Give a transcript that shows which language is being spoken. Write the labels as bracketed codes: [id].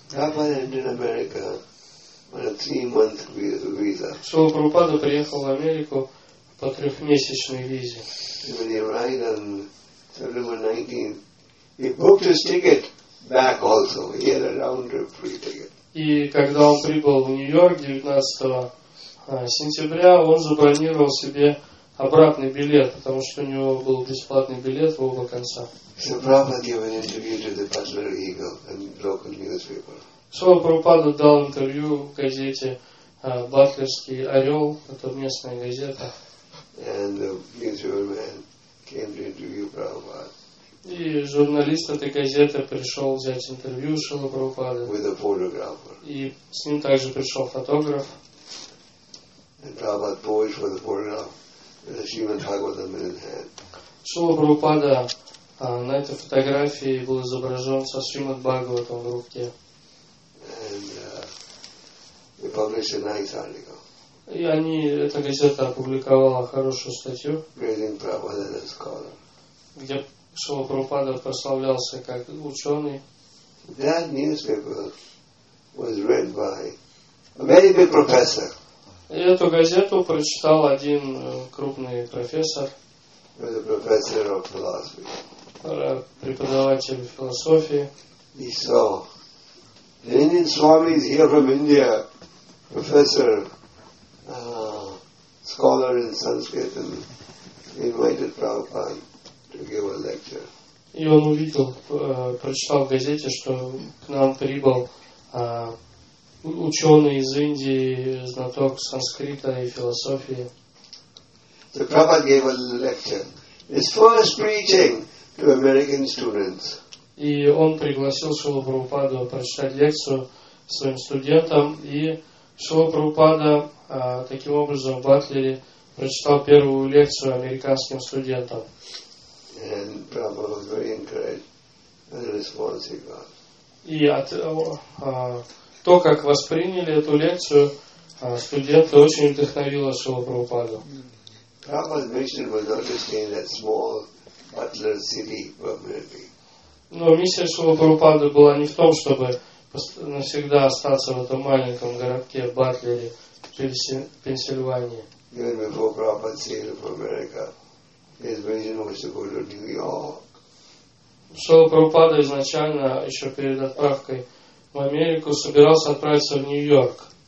[ru] Шрила Прабхупада приехал в Америку по трехмесячной визе. [en] Back also, he had a round trip free ticket. [ru] И когда он прибыл в Нью-Йорк 19 сентября, он забронировал себе обратный билет, потому что у него был бесплатный билет в оба конца. [en] So Prabhupada gave an interview to the Butler Eagle and local newspaper. [ru] Шрила Прабхупада дал интервью в газете Батлерский Орел, это местная газета. [en] And the newspaper man came to interview Prabhupada. [ru] И журналист этой газеты пришел взять интервью Шрилы Прабхупады. [en] With a photographer. [ru] И с ним также пришел фотограф. [en] And Prabhupada posed for the photograph with the Srimad Bhagavatam in his hand. [ru] Шрила Прабхупада На этой фотографии был изображен со Шримад Бхагаватом в руке. [en] We published a nice article. [ru] И они, эта газета опубликовала хорошую статью, [en] Reading Prabhupada as a scholar. [ru] Где Шрила Прабхупада прославлялся как ученый. [en] That newspaper was read by a very big professor. [ru] И эту газету прочитал один крупный профессор. [en] He was a professor of philosophy. [ru] Преподаватель философии. [en] He saw the Indian Swami is here from India, professor, scholar in Sanskrit, and invited Prabhupada to give a lecture. [ru] И он увидел, прочитал в газете, что к нам прибыл ученый из Индии, знаток санскрита и философии. [en] So Prabhupada gave a lecture. His first preaching. American students. [ru] И он пригласил Шрилу Прабхупаду прочитать лекцию своим студентам, и Шрила Прабхупада таким образом в Батлере прочитал первую лекцию американским студентам. [en] And Prabhupada was very encouraged and responsive. [ru] И от то, как восприняли эту лекцию студенты, очень вдохновило Шрилу Прабхупаду. [en] Prabhupada's mission was not just in that small Butler City, permanently. [ru] Но миссия Шрилы Прабхупады была не в том, чтобы навсегда остаться в этом маленьком городке Батлере в Пенсильвании. [en] Even before Prabhupada sailed for America, his vision was to go to New York. [ru] Шрила Прабхупада изначально, еще перед отправкой в Америку, собирался отправиться в Нью-Йорк.